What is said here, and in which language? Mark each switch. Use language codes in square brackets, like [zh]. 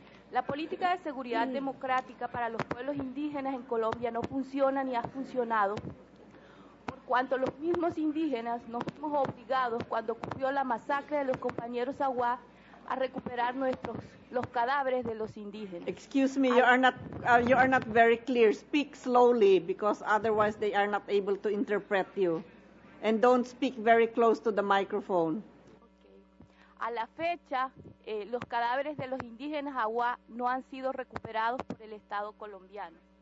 [es] La política de seguridad democrática para los pueblos indígenas en Colombia no funciona ni ha funcionado, por cuanto los mismos indígenas nos vimos obligados, cuando ocurrió la masacre de los compañeros Aguá, a recuperar los cadáveres de los indígenas. [en] Excuse me, you are not very clear. Speak slowly, because otherwise they are not able to interpret you. And don't speak very close to the microphone. Okay. [es] A la fecha, los cadáveres de los indígenas Aguá no han sido recuperados por el Estado colombiano.